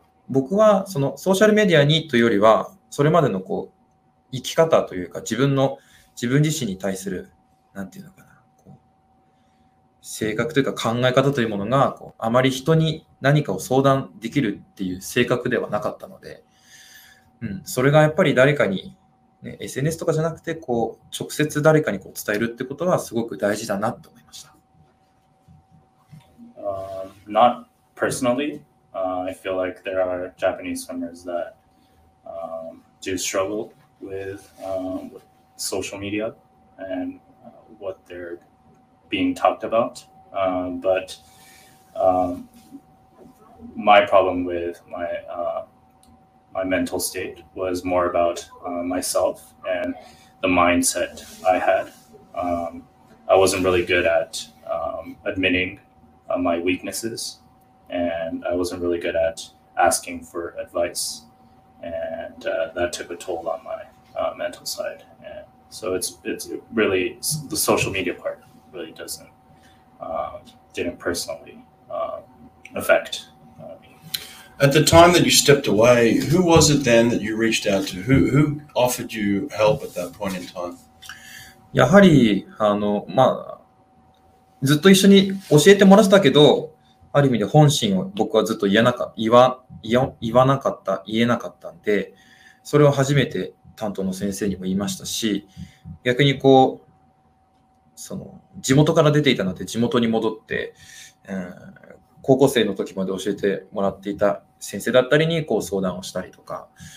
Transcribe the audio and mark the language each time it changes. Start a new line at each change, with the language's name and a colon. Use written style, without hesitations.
Japanese: 僕はそのソーシャルメディアにというよりは、それまでのこう、生き方というか、自分自身に対する、なんていうのかな、こう、性格というか考え方というものが、こう、あまり人に何かを相談できるっていう性格ではなかったので、うん、それがやっぱり誰かに、SNS とかじゃなくてこう直接誰かにこう伝えるってことはすごく大事だなと思いました。
English: Not personally, I feel like there are Japanese swimmers that do struggle with social media and what they're being talked about. But my problem with my my mental state was more about myself and the mindset I had. I wasn't really good at admitting my weaknesses, and I wasn't really good at asking for advice, and that took a toll on my mental side. And so it's really the social media part really didn't personally affect. At the time that you stepped away, who was it then that you reached out to? Who offered you help at that point in time?
Japanese: やはり、まあ、ずっと一緒に教えてもらったけど、ある意味で本心を僕はずっと言えなかったんで、それを初めて担当の先生にも言いましたし、逆にこう、その、地元から出ていたので地元に戻って、高校生の時まで教えてもらっていた先生だったりにこう相談をしたりとか、